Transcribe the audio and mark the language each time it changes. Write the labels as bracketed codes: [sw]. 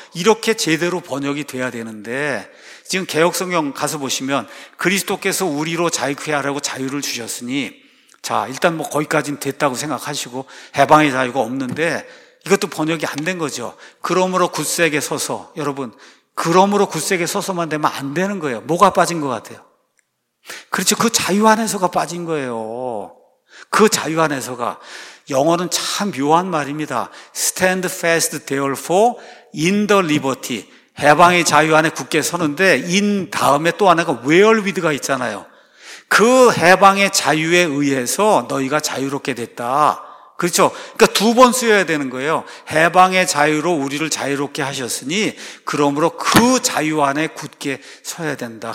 [ko] 이렇게 제대로 번역이 돼야 되는데 지금 개역성경 가서 보시면 그리스도께서 우리로 자유케 하려고 자유를 주셨으니 자 일단 뭐 거기까지는 됐다고 생각하시고 해방의 자유가 없는데 이것도 번역이 안 된 거죠. 그러므로 굳세게 서서 여러분 그러므로 굳세게 서서만 되면 안 되는 거예요. 뭐가 빠진 것 같아요? 그렇죠. 그 자유 안에서가 빠진 거예요. 그 자유 안에서가 영어는 참 묘한 말입니다. [en] Stand fast therefore in the liberty. [ko] 해방의 자유 안에 굳게 서는데 in 다음에 또 하나가 where with가 있잖아요. 그 해방의 자유에 의해서 너희가 자유롭게 됐다. 그렇죠? 그러니까 두 번 쓰여야 되는 거예요. 해방의 자유로 우리를 자유롭게 하셨으니 그러므로 그 자유 안에 굳게 서야 된다.